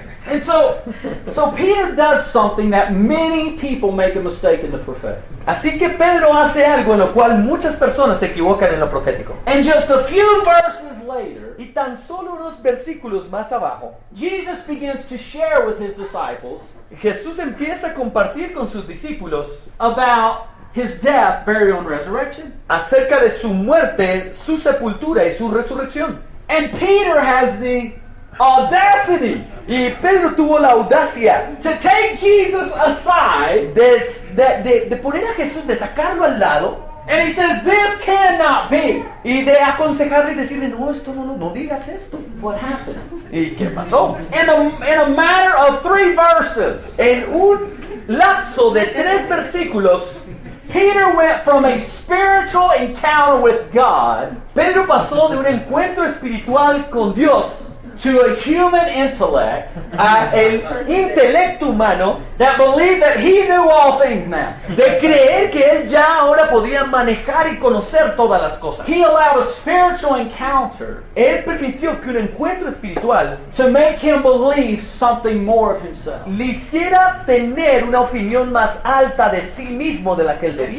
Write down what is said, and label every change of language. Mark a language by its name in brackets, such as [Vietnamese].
[English] And so Peter does something that many people make a mistake in the prophetic. [Spanish] Así que Pedro hace algo en lo cual muchas personas se equivocan en lo profético. [English] And just a few verses later, [Spanish] y tan solo unos versículos más abajo, [English] Jesus begins to share with his disciples, [Spanish] Jesús empieza a compartir con sus discípulos [English] about his death, burial, and resurrection, [Spanish] acerca de su muerte, su sepultura y su resurrección. [English] And Peter has the audacity. [Spanish] Y Pedro tuvo la audacia [English] to take Jesus aside, [Spanish] de poner a Jesús, de sacarlo al lado, [English] and he says this cannot be. [Spanish] Y de aconsejarle y decirle no digas esto. [English] What happened? [Spanish] ¿Y qué pasó? [English] In a matter of three verses, [Spanish] en un lapso de tres versículos, [English] Peter went from a spiritual encounter with God. [Spanish] Pedro pasó de un encuentro espiritual con Dios [English] to a human intellect, [Spanish] el intelecto humano, [English] that believed that he knew all things now. [Spanish] De creer que él ya ahora podía manejar y conocer todas las cosas. [English] He allowed a spiritual encounter, [Spanish] él permitió que un encuentro espiritual, [English] to make him believe something more of himself. [Spanish] Le hiciera tener una opinión más alta de sí mismo de la que él debía.